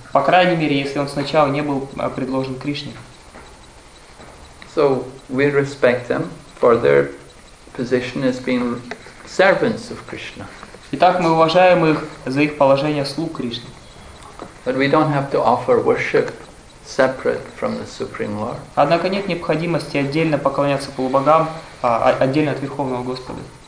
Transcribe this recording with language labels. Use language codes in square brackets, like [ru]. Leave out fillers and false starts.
[ru] По крайней мере, если он сначала не был предложен Кришне. [en] So we respect them for their position as being servants of Krishna. [ru] Итак, мы уважаем их за их положение слуг Кришны. [en] But we don't have to offer worship separate from the Supreme Lord. [ru] Однако нет необходимости отдельно поклоняться полубогам, отдельно от Верховного Господа.